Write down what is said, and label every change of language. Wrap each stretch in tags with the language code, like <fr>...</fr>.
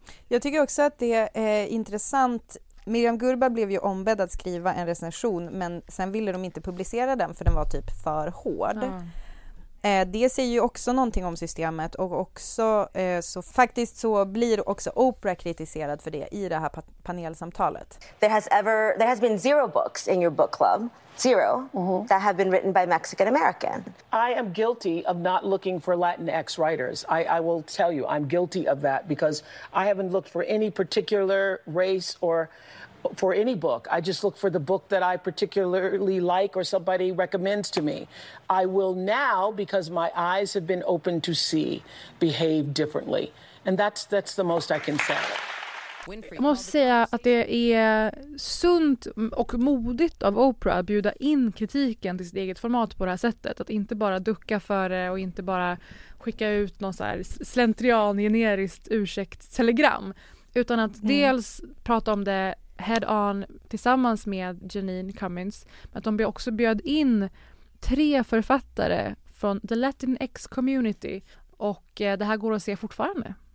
<sv>Jag tycker också att det är intressant. Miriam Gurba blev ju ombedd att skriva en recension, men sen ville de inte publicera den för den var typ för hård. Mm. Det säger ju också någonting om systemet och också så faktiskt så blir också Oprah kritiserad för det i det här panelsamtalet.</sv> <en>There has been zero books in your book club. Zero. Mm-hmm. That have been written by Mexican American. I am guilty of not looking for Latinx writers. I will tell you, I'm guilty of that because I haven't looked for any particular race or for any book. I just look for the book that I particularly like or somebody recommends to me. I will now, because my eyes have been opened to see, behave differently. And that's the most I can say.</en> <sv>Jag måste säga att det är sunt och modigt av Oprah att bjuda in kritiken till sitt eget format på det här sättet. Att inte bara ducka för det och inte bara skicka ut någon så här slentrian generiskt ursäktstelegram. Utan att dels prata om det head on tillsammans med Janine Cummins, men att de också bjöd in tre författare från The Latinx Community, och det här går att se fortfarande.</sv>